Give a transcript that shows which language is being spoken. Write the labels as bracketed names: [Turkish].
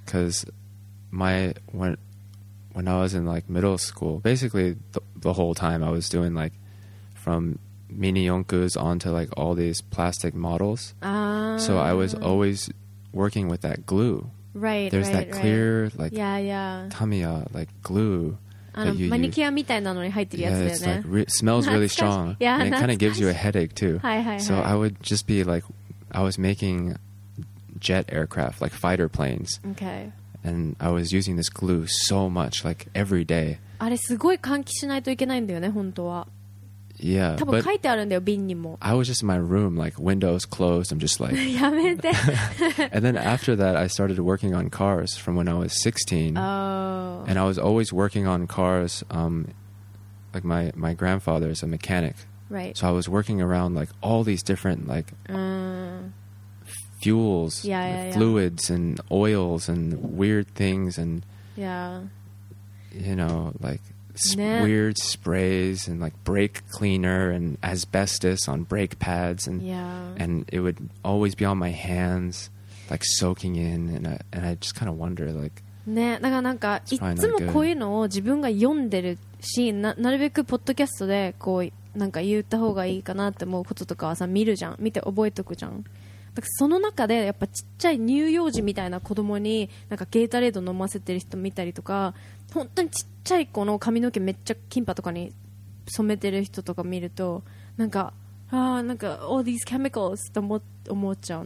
[English] Cause when I was in like middle school, basically the whole time I was doing like from mini yonkus onto like all these plastic models. So I was always working with that glue. Right. There's right, that clear right. like yeah. Tamiya like glue. [Japanese] マニキュアみたいなのに入ってるやつだよね。 [English] Yeah, like, smells really strong. Yeah, and it kind of gives you a headache too. [Japanese] はい。 [English] So I would just be like, I was making jet aircraft, like fighter planes. Okay. And I was using this glue so much, like every day. [Japanese] あれすごい換気しないといけないんだよね、本当は。 [English] Yeah. [Japanese] 多分書いてあるんだよ、瓶にも。 [English] I was just in my room, like windows closed. I'm just like. [Japanese] やめて。 [English] And then after that, I started working on cars from when I was 16. Oh. And I was always working on cars. Like my grandfather is a mechanic. Right. So I was working around like all these different like. Fuels, yeah, yeah, fluids, yeah. And oils, and weird things, and yeah, you know, like weird sprays, and like brake cleaner, and asbestos on brake pads, and yeah, and it would always be on my hands, like soaking in, and I just kind of wonder, like, [Japanese] ね、だからなんかいつもこういうのを自分が読んでるし、なるべくポッドキャストでこうなんか言った方がいいかなって思うこととかはさ、見るじゃん、見て覚えとくじゃん。だからその中でやっぱちっちゃい乳幼児みたいな子供になんかゲータレード飲ませてる人見たりとか、本当にちっちゃい子の髪の毛めっちゃキンパとかに染めてる人とか見ると、なんかああなんか [English] all these chemicals [Japanese] と思っちゃう。